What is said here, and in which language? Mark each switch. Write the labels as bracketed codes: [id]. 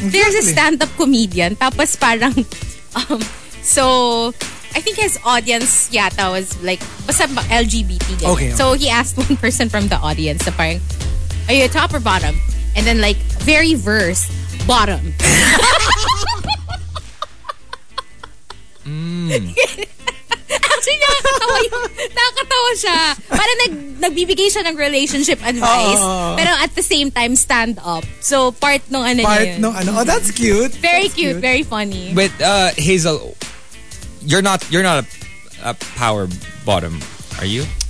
[en] There's a stand-up comedian, [tl] tapos parang, [en] so, I think his audience yata was like, basta LGBT. Okay, okay. So he asked one person from the audience, so parang, are you a top or bottom? And then like, very verse, bottom. [tl] Actually, nakakatawa siya. Parang nagbibigay siya ng relationship advice. [en] Pero at the same time, stand up. So part no ano niya. Part no ano. Oh, that's cute. Very that's cute. Very funny. But Hazel, you're not a power bottom, are you?